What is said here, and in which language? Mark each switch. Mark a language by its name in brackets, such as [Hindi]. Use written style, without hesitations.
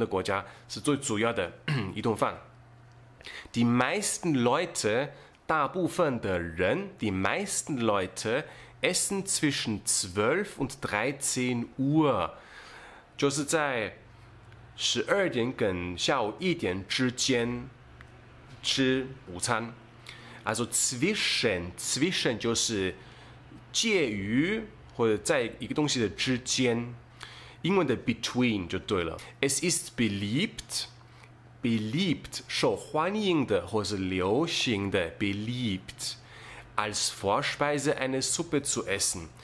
[German] Das Mittagessen, ja, [Chinese] 在德文的国家是最主要的一顿饭. [German] Die meisten Leute, [Chinese] 大部分的人, [German] die meisten Leute essen zwischen 12 und 13 Uhr. [Chinese] 就是在12点跟下午1点之间吃午餐. [German] Also zwischen [Chinese] 就是介于 或者在一个东西的之间，英文的 between 就对了。 [German] Es ist beliebt [Chinese] 受欢迎的或是流行的 [German] beliebt als Vorspeise eine Suppe zu essen.